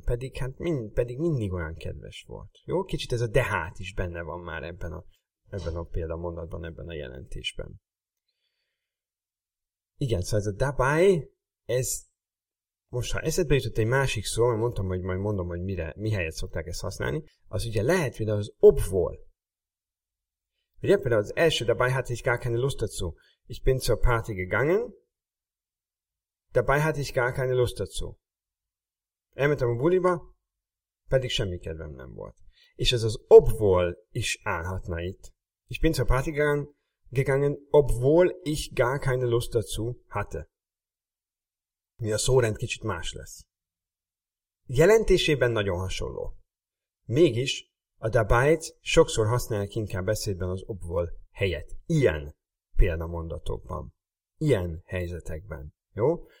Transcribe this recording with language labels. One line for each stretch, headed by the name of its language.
Hungarian: Pedig mindig olyan kedves volt. Jó? Kicsit ez a de hát is benne van már ebben a példamondatban, ebben a jelentésben. Igen, szóval ez a dabei, ez most ha eszedbe jutott egy másik szó, mert mondtam, hogy majd mondom, hogy mi helyet szokták ezt használni, az ugye lehet, hogy az obwohl. Ugye például az első
German: dabei hatte ich gar keine Lust dazu. Ich bin zur Party gegangen. Dabei hatte ich gar keine Lust dazu.
Hungarian: Elmentem a buliba, pedig semmi kedvem nem volt. És ez az obwohl is állhatna itt.
German: Ich bin zur Party gegangen, obwohl ich gar keine Lust dazu hatte.
Hungarian: Mi a szórend kicsit más lesz. Jelentésében nagyon hasonló. Mégis a dabei-t sokszor használják inkább beszédben az obwohl helyett. Ilyen példamondatokban. Ilyen helyzetekben. Jó?